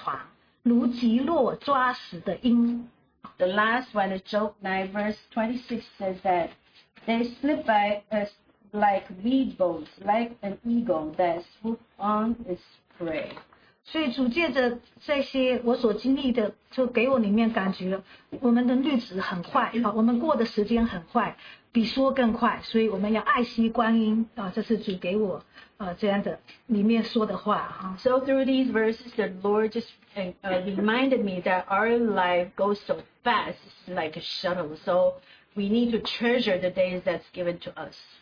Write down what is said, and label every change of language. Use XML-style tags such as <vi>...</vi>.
<zh>最后一个9章26节说，我的日子过去如快船，如急落抓死的鹰。</zh> <en>The last one, Job 9:26 says that they slip by us like reed boats, like an eagle that swoops on its prey.</en> <zh>所以主借着这些我所经历的，就给我里面感觉，我们的日子很快，我们过的时间很快，比梭更快，所以我们要爱惜光阴，这是主给我这样的里面说的话。</zh> <en>So through these verses, the Lord just reminded me that our life goes so fast, it's like a shuttle. So we need to treasure the days that's given to us.</en>